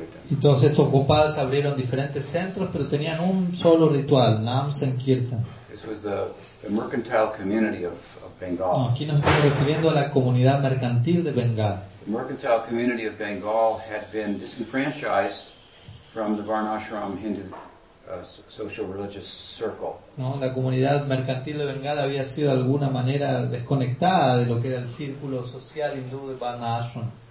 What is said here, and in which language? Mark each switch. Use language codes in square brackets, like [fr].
[es] Y todos estos gopals abrieron diferentes centros, pero tenían un solo ritual, Nam Sankirtan. [en] This was the mercantile community of Bengal. [es] No, aquí nos estamos refiriendo a la comunidad mercantil de Bengal. [en] The mercantile community of Bengal had been disenfranchised from the Varnashram Hindu social religious circle. [es] No, la comunidad mercantil de Bengala había sido de alguna manera desconectada de lo que era el círculo social hindú de Varnashram.